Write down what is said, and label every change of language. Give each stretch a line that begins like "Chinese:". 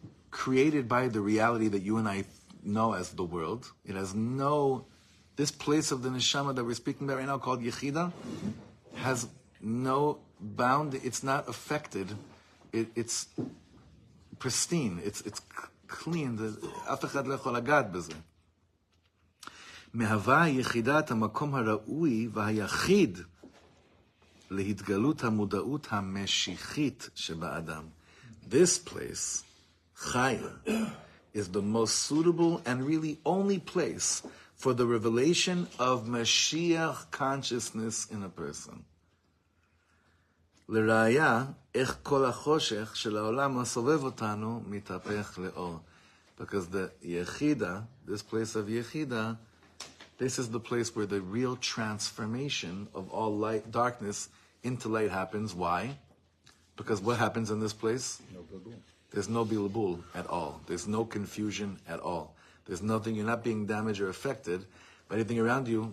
English: created by the reality that you and I know as the world, it has no, this place of the neshama that we're speaking about right now called Yechida, has no bound, it's not affected, it's pristine, it's clean,
Hebrew: אף אחד לא יכול לגעת בזה. מהווה יחידת המקום הראוי והיחיד להתגלות המודעות המשיחית שבאדם.
English: This place, Chaya, is the most suitable and really only place for the revelation of Mashiach consciousness in a person.
Hebrew: לראיה, איך כל החושך של העולם הסובב אותנו מתהפך לאור.
English: Because the Yechida, this place of Yechida, this is the place where the real transformation of all light, darkness into light happens. Why? Because what happens in this place? No bilbul. There's no bilbul at all. There's no confusion at all. There's nothing, you're not being damaged or affected by anything around you.